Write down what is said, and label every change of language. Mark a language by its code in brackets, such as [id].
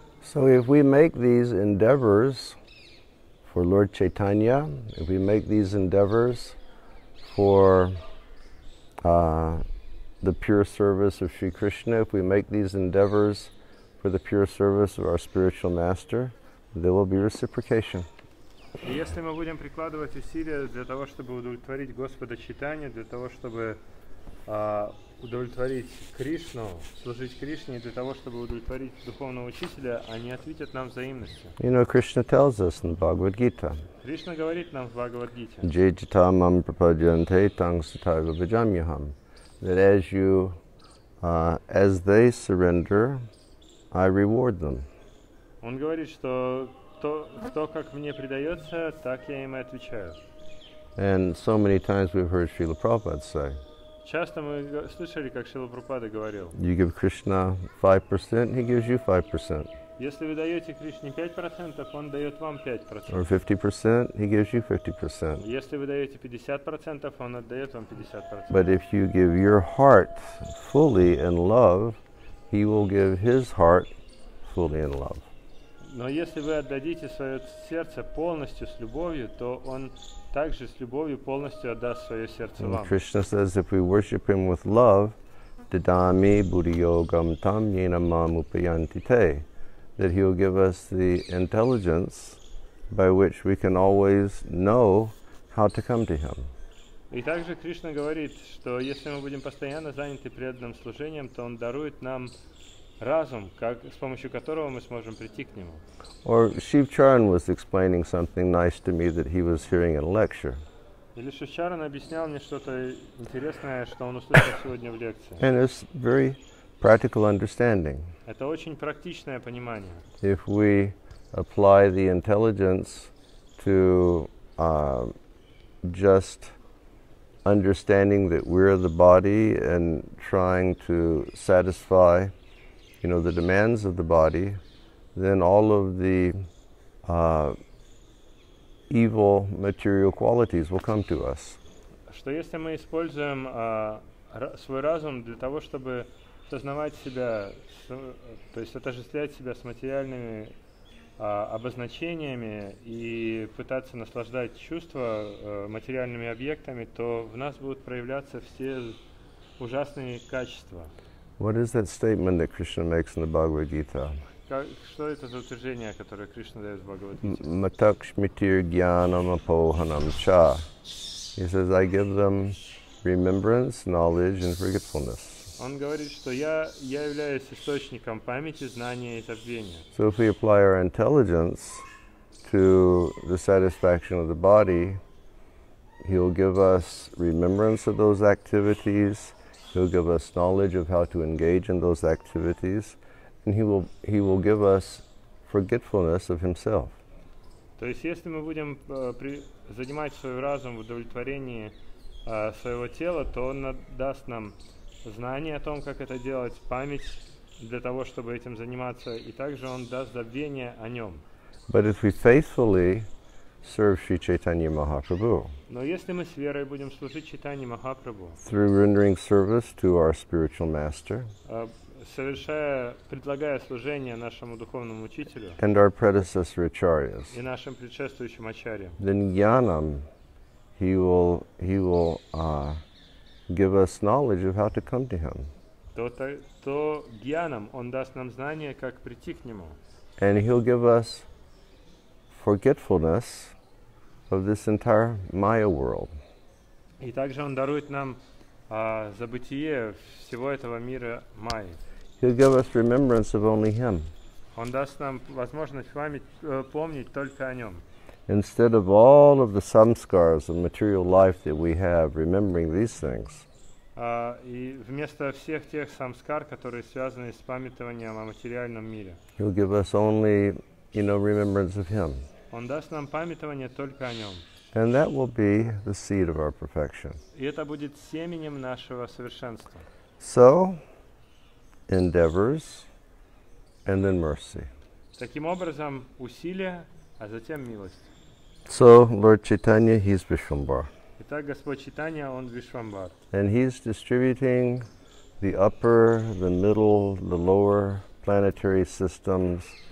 [en] So if we make these endeavors for Lord Chaitanya, if we make these endeavors for the pure service of Sri Krishna, if we make these endeavors for the pure service of our spiritual master, there will be reciprocation. [ru] И если мы будем прикладывать усилия для того, чтобы удовлетворить Господа Чайтанья, для того, чтобы удовлетворить Кришну, служить Кришне, для того, чтобы удовлетворить духовного учителя, они ответят нам взаимностью. [en] You know, Krishna tells us in Bhagavad Gita. [ru] Кришна говорит нам в Бхагавад Гите. [sa] Jejita mam prapadyante tang sutaiva vajamyaham. [en] That as you, as they surrender, I reward them. [ru] Он говорит, что то, как мне предается, так я им и отвечаю. [en] And so many times we've heard Srila Prabhupada say, [ru] часто мы слышали, как Шрила Прабхупада говорил, [en] you give Krishna 5%, he gives you 5%. [ru] Если вы даете Кришне 5%, он дает вам 5%. [en] Or 50%, he gives you 50%. [ru] Если вы даете 50%, он отдает вам 50%. [en] But if you give your heart fully in love, he will give his heart fully in love. [ru] Но если вы отдадите свое сердце полностью с любовью, то он также с любовью полностью отдаст свое сердце вам. [en] Krishna says, if we worship him with love, [sa] didami buddhiyogam tam yenamam upayanti te, [en] that he will give us the intelligence by which we can always know how to come to him. [ru] И также Кришна говорит, что если мы будем постоянно заняты преданным служением, то он дарует нам разум, как, с помощью которого мы сможем прийти к нему. [en] Or Shiv Charan was explaining something nice to me that he was hearing in a lecture. [ru] Или Шив Чаран объяснял мне что-то интересное, что он услышал сегодня в лекции. [en] And it's very practical understanding. [ru] Это очень практичное понимание. [en] If we apply the intelligence to just understanding that we're the body and trying to satisfy, you know, the demands of the body, then all of the evil material qualities will come to us. [ru] Что если мы используем свой разум для того, чтобы сознавать себя, то есть отождествлять себя с материальными обозначениями и пытаться наслаждать чувства материальными объектами, то в нас будут проявляться все ужасные качества. [en] What is that statement that Krishna makes in the Bhagavad Gita? [ru] Что это за утверждение, которое Кришна дает в Бхагавад-гите? [sa] Matakshmitir gyanam apohanam cha. [en] He says, I give them remembrance, knowledge and forgetfulness. [ru] Он говорит, что я являюсь источником памяти, знания и забвения. [en] So if we apply our intelligence to the satisfaction of the body, he'll give us remembrance of those activities, he'll give us knowledge of how to engage in those activities, and he will give us forgetfulness of himself. [ru] То есть если мы будем занимать свой разум в удовлетворении своего тела, то он даст нам знание о том, как это делать, память для того, чтобы этим заниматься, и также он даст забвение о нем. [en] But if we faithfully serve Sri Chaitanya Mahaprabhu. [ru] Но если мы с верой будем служить Чайтанье Махапрабху. [en] Through rendering service to our spiritual master. [ru] Совершая, предлагая служение нашему духовному учителю. [en] And our predecessor acharyas. [ru] И нашим предшествующим ачарьям. [en] Then jnanam, he will give us knowledge of how to come to him. [ru] То jnanam, он даст нам знание, как прийти к нему. [en] And he'll give us forgetfulness of this entire Maya world. [ru] И также он дарует нам забытие всего этого мира Майи. [en] He'll give us remembrance of only him. [ru] Он даст нам возможность помнить только о нем. [en] Instead of all of the samskaras of material life that we have, remembering these things. [ru] И вместо всех тех самскар, которые связаны с памятованием о материальном мире. [en] He'll give us only, you know, remembrance of him. [ru] Он даст нам памятование только о нем. [en] And that will be the seed of our perfection. [ru] И это будет семенем нашего совершенства. [en] So, endeavors, and then mercy. [ru] Таким образом, усилия, а затем милость. [en] So, Lord Chaitanya, he's Vishwambar. [ru] Итак, Господь Чайтанья, он Вишвамбар. [en] And he's distributing the upper, the middle, the lower planetary systems.